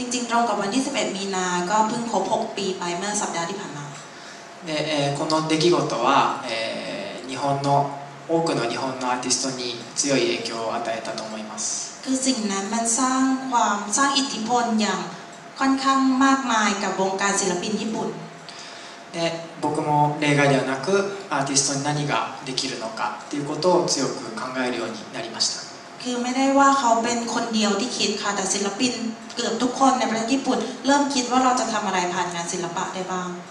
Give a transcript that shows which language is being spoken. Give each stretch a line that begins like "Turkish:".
Thai: จริงๆตรงกับวันที่11มีนาก็เพิ่งครบ6ปีไปเมื่อสัปดาห์ที่ผ่านมา
Japanese: で、この出来事は、日本の多くの日本のアーティストに強い影響を与えたと思います。
Thai: คือสิ่งนั้นมันสร้างความสร้างอิทธิพลอย่างค่อนข้างมากมายกับวงการศิลปินญี่ปุ่น
Japanese: で、僕も例外ではなくアーティストに何ができるのかっていうことを強く考えるようになりました。
Thai: คือไม่ได้ว่าเขาเป็นคนเดียวที่คิดค่ะแต่ศิลปินเกือบทุกคนในประเทศญี่ปุ่นเริ่มคิดว่าเราจะทำอะไรผ่านงานศิลปะได้บ้าง